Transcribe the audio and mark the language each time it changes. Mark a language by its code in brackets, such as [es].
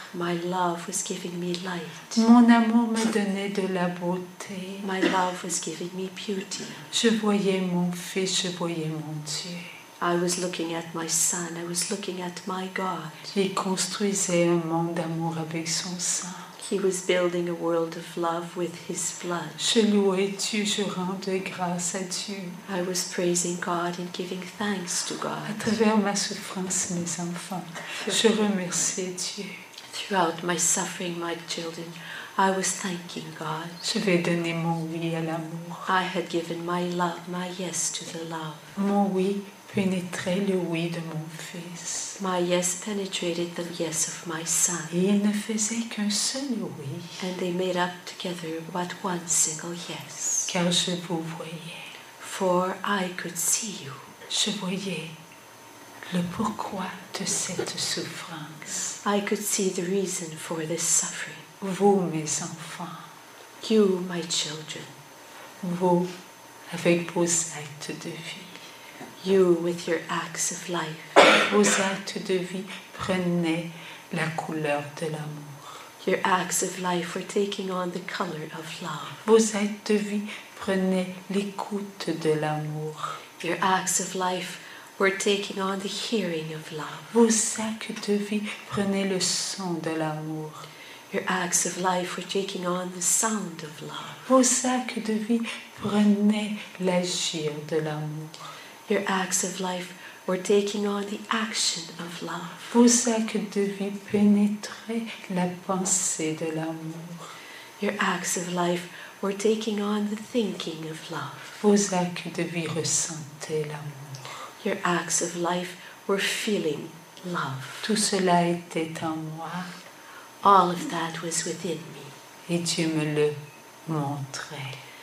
[en] My love was giving me light. [fr] Mon amour me donnait de la beauté. [en] My love was giving me beauty. [fr] Je voyais mon fils, je voyais mon Dieu. [en] I was looking at my son, I was looking at my God. [fr] Il construisait un monde d'amour avec son sang. [en] He was building a world of love with his blood. [fr] Je louais Dieu, je rendais grâce à Dieu. [en] I was praising God and giving thanks to God. [fr] À travers ma souffrance, mes enfants, je remerciais Dieu. [en] Throughout my suffering, my children, I was thanking God. [fr] J'avais donné mon oui à l'amour. [en] I had given my love, my yes to the love. [fr] Mon oui pénétrait le oui de mon fils. [en] My yes penetrated the yes of my son. [fr] Et ils ne faisaient qu'un seul oui. [en] And they made up together but one single yes. [fr] Car je vous voyais. [en] For I could see you. [fr] Je voyais le pourquoi de cette souffrance. [en] I could see the reason for this suffering. [fr] Vous, mes enfants. [en] You, my children. [fr] Vous, avec vos actes de vie. [en] You, with your acts of life. [fr] Vos actes de vie prenaient la couleur de l'amour. [en] Your acts of life were taking on the color of love. [fr] Vos actes de vie prenaient l'écoute de l'amour. [en] Your acts of life were taking on the hearing of love. [fr] Vos actes de vie prenaient le son de l'amour. [en] Your acts of life were taking on the sound of love. [fr] Vos actes de vie prenaient l'agir de l'amour. [en] Your acts of life were taking on the action of love. [fr] Vos actes de vie pénétraient la pensée de l'amour. [en] Your acts of life were taking on the thinking of love. [fr] Vos actes de vie ressentaient l'amour. [en] Your acts of life were feeling love. [fr] Tout cela était en moi. [en] All of that was within me. [fr] Et Dieu me le montrait.